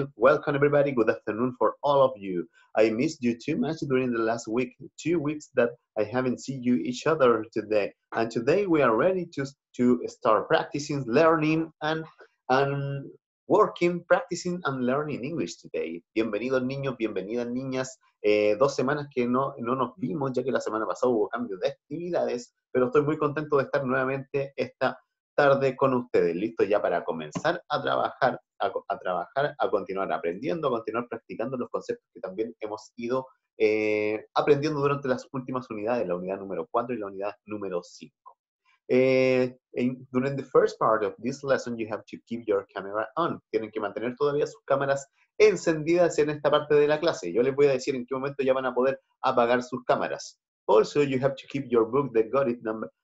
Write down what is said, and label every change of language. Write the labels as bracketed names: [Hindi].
[English] Welcome everybody, good afternoon for all of you. I missed you too much during the last week, 2 weeks that I haven't seen you each other today. And today we are ready to start practicing, learning and working, practicing and learning English today. [Spanish] Bienvenidos niños, bienvenidas niñas. Dos semanas que no nos vimos, ya que la semana pasada hubo cambio de actividades, pero estoy muy contento de estar nuevamente esta tarde con ustedes, listo ya para comenzar a trabajar, a continuar aprendiendo, a continuar practicando los conceptos que también hemos ido aprendiendo durante las últimas unidades, la unidad número 4 y la unidad número 5. [English] During the first part of this lesson, you have to keep your camera on. [Spanish] Tienen que mantener todavía sus cámaras encendidas en esta parte de la clase. Yo les voy a decir en qué momento ya van a poder apagar sus cámaras. [English] Also, you have to keep your book, that got it number.